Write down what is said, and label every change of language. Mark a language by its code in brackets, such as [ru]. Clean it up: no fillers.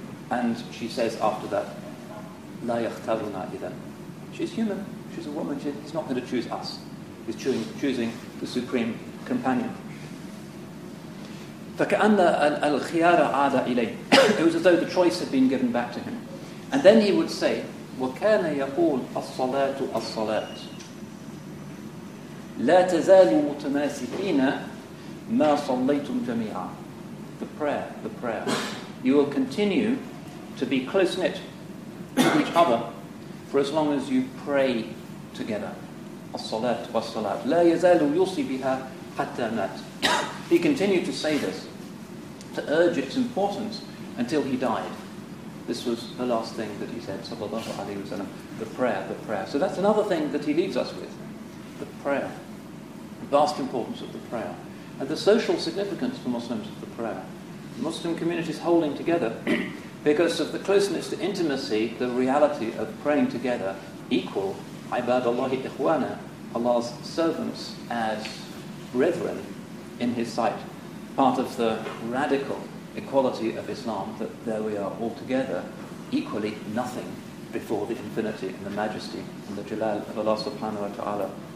[en] And she says after that, [ar] لا يختارنا إذن. [en] She's human, she's a woman, he's not going to choose us. He's choosing the supreme companion. [ar] فَكَأَنَّ الْخِيَارَ عَادَ إِلَيْهِ. [en] It was as though the choice had been given back to him. And then he would say, [ar] وَكَانَ يَقُولُ الصَّلَاةُ الصَّلَاةُ لَا تَزَالُوا مُتَمَاسِكِينَ مَا صَلَّيْتُمْ جَمِيعًا. [en] The prayer. You will continue to be close-knit to each other for as long as you pray together. [ar] الصلاة والصلاة لا يزال يوصي بها حتى مات. [en] He continued to say this, to urge its importance, until he died. This was the last thing that he said, sallallahu alayhi wa sallam. The prayer. So that's another thing that he leaves us with. The prayer. The vast importance of the prayer. And the social significance for Muslims of the prayer. Muslim communities holding together because of the closeness, the intimacy, the reality of praying together, equal [ar] ibadallahi ikhwana, [en] Allah's servants as brethren in his sight, part of the radical equality of Islam, that there we are all together, equally nothing before the infinity and the majesty and the jalal of Allah subhanahu wa ta'ala.